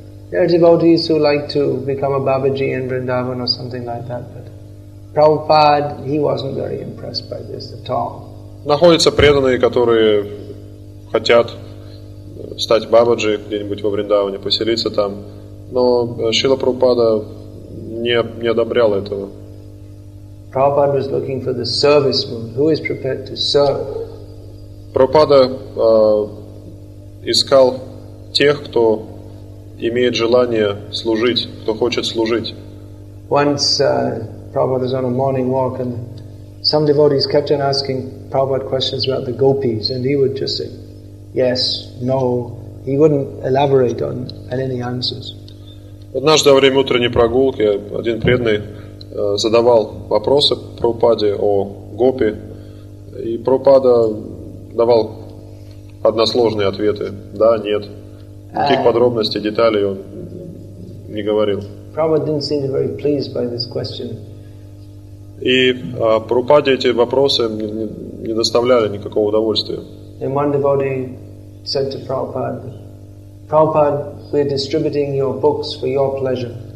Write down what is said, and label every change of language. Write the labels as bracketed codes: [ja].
[en] There are devotees who like to become a Babaji in Vrindavan or something like that, but Prabhupada, he wasn't very impressed by this at all. [ru] Находятся преданные, которые хотят стать Бабаджи где-нибудь во Вриндаване, поселиться там. Но Шрила Прабхупада не одобрял этого. [en] Prabhupada was looking for the service mood. Who is prepared to serve? [ru] Прабхупада искал тех, кто имеет желание служить, кто хочет служить. [en] Once Prabhupada was on a morning walk and Some devotees kept on asking Prabhupada questions about the gopis, and he would just say, yes, no. He wouldn't elaborate on any answers. [ru] Однажды во время утренней прогулки один преданный задавал вопросы Прабхупаде о гопи, и Прабхупада давал односложные ответы, да, нет. Никаких подробностей, деталей он не говорил. [en] Prabhupada didn't seem very pleased by this question. [ru] И Прабхупаде эти вопросы не доставляли никакого удовольствия. [en] And one devotee said to Prabhupada, Prabhupada, we are distributing your books for your pleasure.